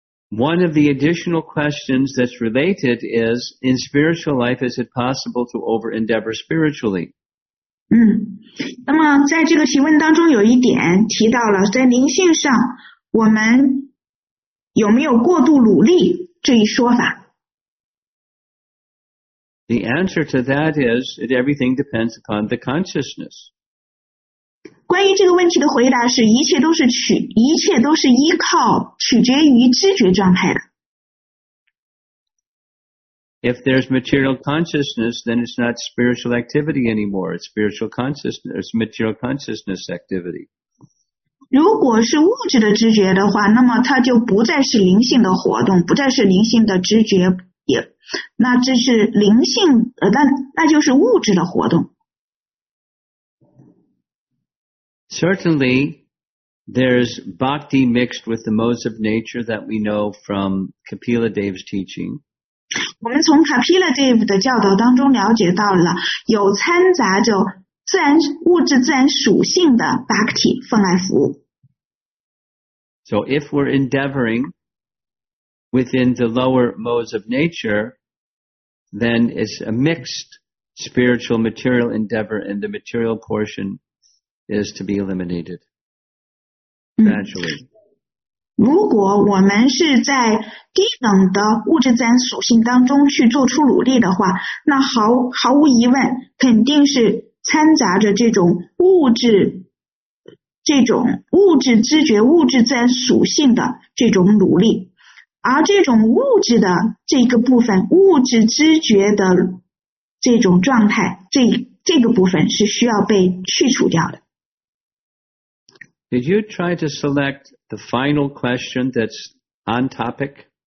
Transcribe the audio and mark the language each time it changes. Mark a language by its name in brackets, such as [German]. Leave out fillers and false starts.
[English] One of the additional questions that's related is, in spiritual life, is it possible to over-endeavor spiritually? [Chinese] 嗯，那么在这个提问当中有一点提到了，在灵性上，我们有没有过度努力这一说法？ [English] The answer to that is, it everything depends upon the consciousness. [Chinese] 关于这个问题的回答是一切都是依靠取决于知觉状态的。 [English] If there's material consciousness, then it's not spiritual activity anymore. It's spiritual consciousness. It's material consciousness activity. [Chinese] 如果是物质的知觉的话，那么它就不再是灵性的活动，不再是灵性的知觉，也，那这是灵性，那就是物质的活动。 [English] Certainly, there's bhakti mixed with the modes of nature that we know from Kapila Dev's teaching. [Chinese] 我们从 Kapila Dev 的教导当中了解到了有掺杂着自然物质自然属性的 Bhakti 奉爱服务。 [English] So if we're endeavoring within the lower modes of nature, then it's a mixed spiritual material endeavor and the material portion is to be eliminated gradually. [Chinese] 如果我们是在低等的物质自然属性当中去做出努力的话，那毫无疑问，肯定是掺杂着这种物质知觉、物质自然属性的这种努力，而这种物质的这个部分、物质知觉的这种状态，这个部分是需要被去除掉的。 [English] Did you try to select the final question that's on topic?